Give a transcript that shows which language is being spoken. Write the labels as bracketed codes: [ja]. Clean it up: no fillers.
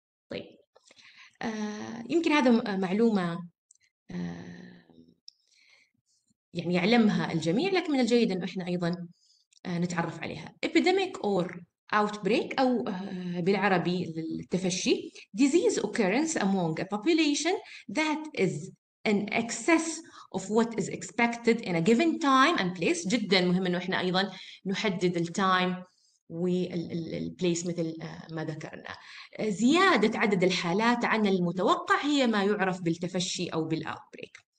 [ar] طيب، يمكن هذا معلومة يعني يعلمها الجميع، لكن من الجيد أن إحنا أيضا نتعرف عليها. [en] Epidemic or outbreak، [ar] أو بالعربي التفشي. [en] Disease occurrence among a population that is an excess of what is expected in a given time and place. [ar] جدا مهم أنه إحنا أيضا نحدد التايم والبليس مثل ما ذكرنا. زيادة عدد الحالات عن المتوقع هي ما يعرف بالتفشي أو بالأوتبريك.